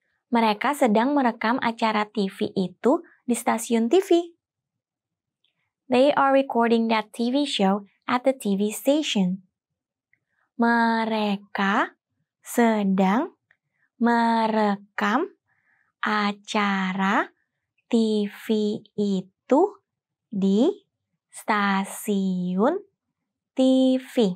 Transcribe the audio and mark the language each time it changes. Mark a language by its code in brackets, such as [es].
[id] Mereka sedang merekam acara TV itu di stasiun TV. [en] They are recording that TV show at the TV station. [id] Mereka sedang merekam acara TV itu di stasiun TV.